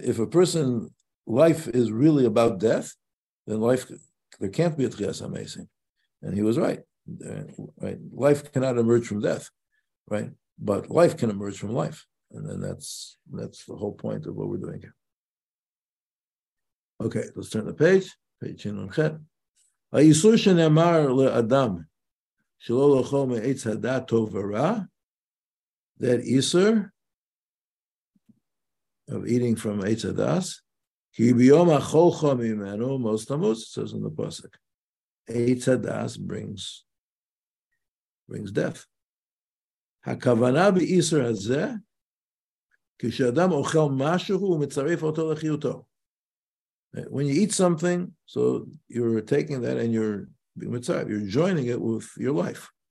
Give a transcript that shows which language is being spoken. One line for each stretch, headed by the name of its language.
English: If a person life is really about death, then life there can't be a tchias amazing. And he was right. Right. Life cannot emerge from death. Right. But life can emerge from life. And then that's the whole point of what we're doing here. Okay. Let's turn the page. Chin on chet.
Hebrew: האיסור שנאמר לאדם שלא לאכול מעץ הדעת טוב ורע, that איסור
English: of eating from
Hebrew: עץ הדעת, כי ביום אכול חום ממנו, מוס תמוס,
English: it says in the pasuk,
Hebrew: עץ הדעת
English: brings death.
Hebrew: הכוונה באיסור הזה, כשאדם אוכל משהו, הוא מצרף אותו לחיותו.
English: When you eat something, so you're taking that and you're joining it with your life.